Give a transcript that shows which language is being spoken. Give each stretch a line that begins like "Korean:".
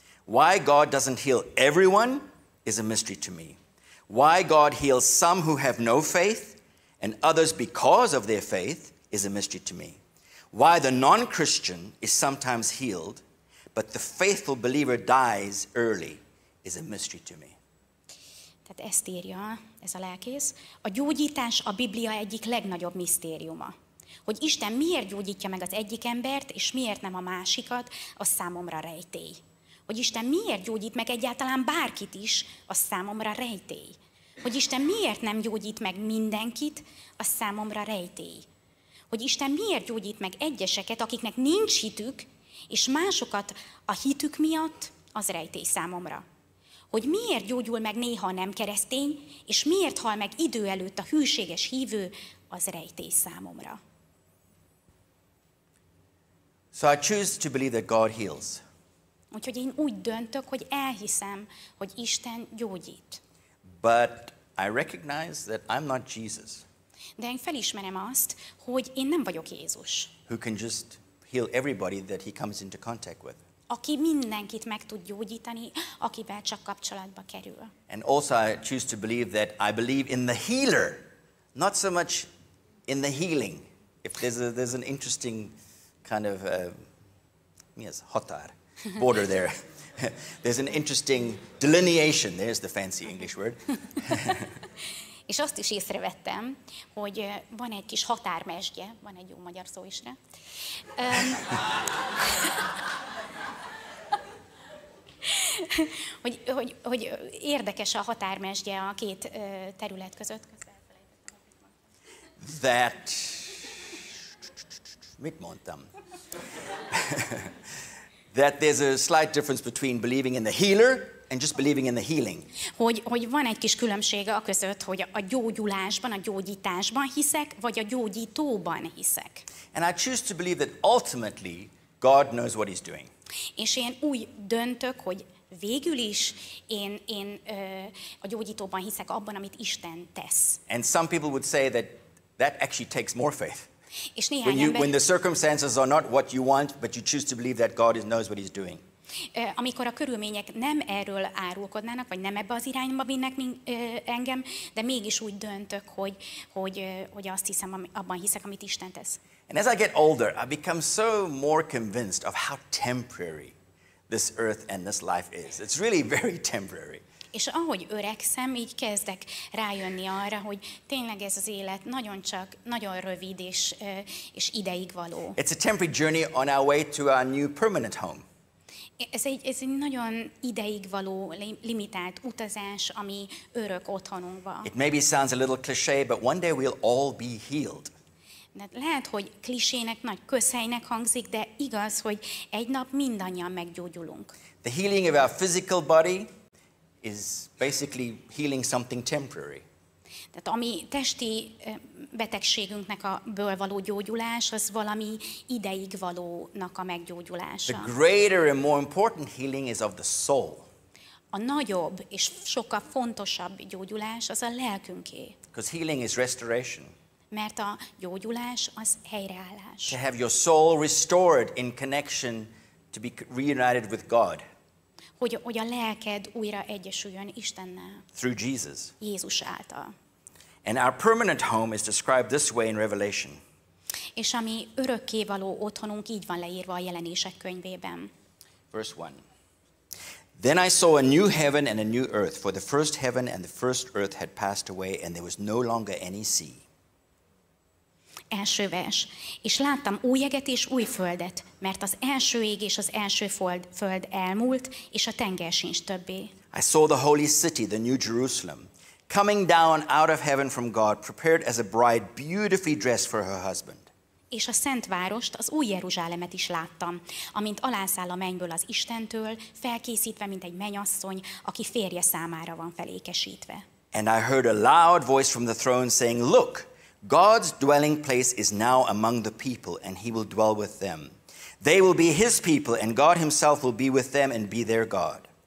English: Why God doesn't heal everyone is a mystery to me. Why God heals some who have no faith and others because of their faith is a mystery to me. Why the non-Christian is sometimes healed, but the faithful believer dies early is a mystery to me.
Hungarian: Tehát ezt írja ez a lelkész. A gyógyítás a Biblia egyik legnagyobb misztériuma. Hogy Isten miért gyógyítja meg az egyik embert, és miért nem a másikat, az számomra rejtély. Hogy Isten miért gyógyít meg egyáltalán bárkit is, az számomra rejtély. Hogy Isten miért nem gyógyít meg mindenkit, az számomra rejtély. Hogy Isten miért gyógyít meg egyeseket, akiknek nincs hitük, és másokat a hitük miatt, az rejtély számomra. Hogy miért gyógyul meg néha nem keresztény, és miért hal meg idő előtt a hűséges hívő, az rejtély számomra.
English: So I choose to believe that God heals.
Hungarian: Úgyhogy én úgy döntök, hogy elhiszem, hogy Isten gyógyít.
English: But I recognize that I'm not Jesus.
Hungarian: De én felismerem azt, hogy én nem vagyok Jézus.
English: Who can just heal everybody that he comes into contact with.
Hungarian: Aki mindenkit meg tud gyógyítani, akivel csak kapcsolatba kerül.
English: And also I choose to believe that I believe in the healer, not so much in the healing. If there's an interesting kind of határ, border there. There's an interesting delineation. There's the fancy English word.
Hungarian: És azt is észrevettem, hogy van egy kis határmezsgye, van egy jó magyar szó is rá. hogy érdekes a határmezsgye a két terület között.
English: That...
Hungarian: Mit mondtam?
English: That there's a slight difference between believing in the healer and just believing in the healing.
Hungarian: Hogy van egy kis különbség a között, hogy a gyógyulásban, a gyógyításban hiszek, vagy a gyógyítóban hiszek.
English: And I choose to believe that ultimately God knows what he's doing.
Hungarian: És én úgy döntök, hogy végül is én a gyógyítóban hiszek abban, amit Isten tesz.
English: And some people would say that actually takes more faith.
Hungarian: És néhány
English: when, you,
Hungarian: ember,
English: when the circumstances are not what you want, but you choose to believe that God knows what he's doing.
Hungarian: Amikor a körülmények nem erről árulkodnának, vagy nem ebbe az irányba vinnek engem, de mégis úgy döntök, hogy azt hiszem, abban hiszek, amit Isten tesz.
English: And as I get older, I become so more convinced of how temporary this earth and this life is. It's really very temporary.
Hungarian: És ahogy öregszem, így kezdek rájönni arra, hogy tényleg ez az élet nagyon csak, nagyon rövid és ideig való.
English: It's a temporary journey on our way to our new permanent home.
Hungarian: Ez egy nagyon ideig való, limitált utazás, ami örök otthonunkba.
English: It maybe sounds a little cliché, but one day we'll all be healed.
Hungarian: Lehet, hogy klisének, nagy közhelynek hangzik, de igaz, hogy egy nap mindannyian meggyógyulunk.
English: The healing of our physical body is basically healing something temporary.
Hungarian: Tehát ami testi betegségünknek a ből való gyógyulás, az valami ideig valónak a meggyógyulása.
English: The greater and more important healing is of the soul.
Hungarian: A nagyobb és sokkal fontosabb gyógyulás az a lelkünké.
English: Because healing is restoration.
Hungarian: Mert a gyógyulás az helyreállás.
English: To have your soul restored in connection to be reunited with God.
Hungarian: Hogy a lelked újra egyesüljön Istennel.
English: Through Jesus.
Hungarian: Jézus által.
English: And our permanent home is described this way in Revelation.
Hungarian: És ami örökkévaló otthonunk így van leírva a jelenések könyvében.
English: Verse 1. Then I saw a new heaven and a new earth, for the first heaven and the first earth had passed away, and there was no longer any sea.
Hungarian: Első vers. És láttam új eget és új földet, mert az első ég és az első föld elmúlt, és a tenger sincs többé.
English: I saw the holy city, the new Jerusalem, coming down out of heaven from God, prepared as a bride beautifully dressed for her husband.
Hungarian: És a szent várost, az új Jeruzsálemet is láttam, amint alászáll a mennyből az Istentől, felkészítve, mint egy menyasszony, aki férje számára van felékesítve.
English: And I heard a loud voice from the throne saying, look, God's dwelling place is now among the people, and he will dwell with them. They will be his people, and God himself will be with them and be their God.